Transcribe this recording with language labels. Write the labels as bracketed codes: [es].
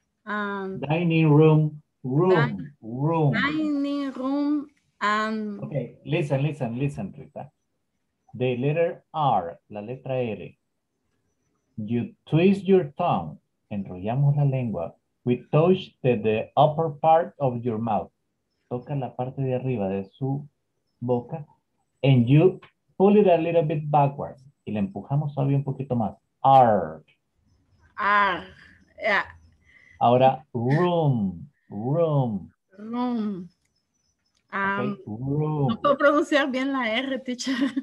[en] Dining room, and... Okay, listen, Rita. The letter R, [es] la letra R. [en] You twist your tongue, [es] enrollamos la lengua. [en] We touch the upper part of your mouth. [es] Toca la parte de arriba de su boca. [en] And you pull it a little bit backwards. [es] Y la empujamos todavía un poquito más. R. [en] R. Yeah. Ahora, room. Room. Room. Okay, room. [es] No puedo pronunciar bien la R, teacher.